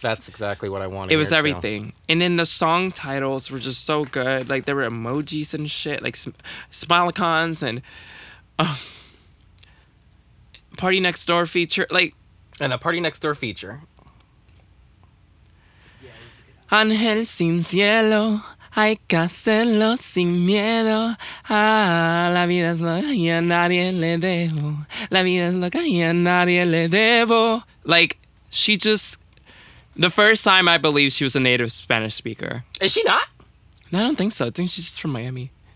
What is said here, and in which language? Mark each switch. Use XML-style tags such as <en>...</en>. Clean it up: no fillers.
<en>That's exactly what I wanted. It was everything. Too. And then the song titles were just so good. Like there were emojis and shit, like smilicons and Party Next Door feature, like. And a Party Next Door feature.</en> <es>Ángel sin cielo, hay que hacerlo sin miedo. Ah, la vida es loca y a nadie le debo. La vida es loca y a nadie le debo.</es> <en>Like, she just, the first time I believe she was a native Spanish speaker. Is she not? No, I don't think so. I think she's just from Miami.</en>